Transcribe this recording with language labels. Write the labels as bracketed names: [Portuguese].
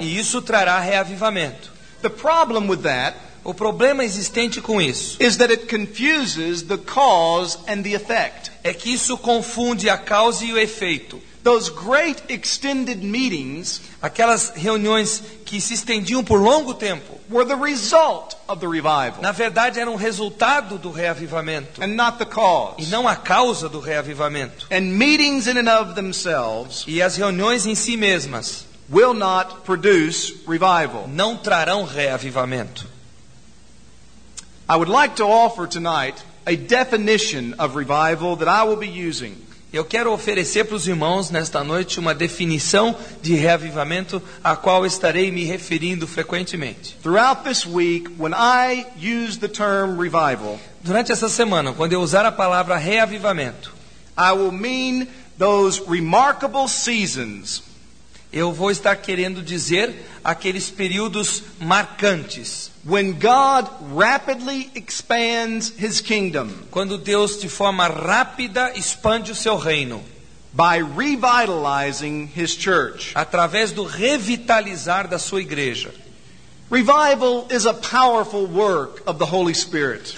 [Portuguese] E isso trará reavivamento. [English] The problem with that, [Portuguese] o problema existente com isso, [English] is that it confuses the cause and the effect. [Portuguese] É que isso confunde a causa e o efeito. [English] Those great extended meetings, [Portuguese] aquelas reuniões que se estendiam por longo tempo, [English] were the result of the revival. [Portuguese] Na verdade, eram resultado do reavivamento. [English] And not the cause. [Portuguese] E não a causa do reavivamento. [English] And meetings in and of themselves, [Portuguese] e as reuniões em si mesmas, [English] will not produce revival. [Portuguese] Não trarão reavivamento. [English] I would like to offer tonight a definition of revival that I will be using. [Portuguese] Eu quero oferecer para os irmãos nesta noite uma definição de reavivamento a qual estarei me referindo frequentemente. [English] Throughout this week, when I use the term revival, [Portuguese] durante essa semana, quando eu usar a palavra reavivamento, [English] I will mean those remarkable seasons. [Portuguese] Eu vou estar querendo dizer aqueles períodos marcantes. [English] When God rapidly expands his kingdom. [Portuguese] Quando Deus de forma rápida expande o seu reino. [English] By revitalizing his church. [Portuguese] Através do revitalizar da sua igreja. [English] Revival is a powerful work of the Holy Spirit.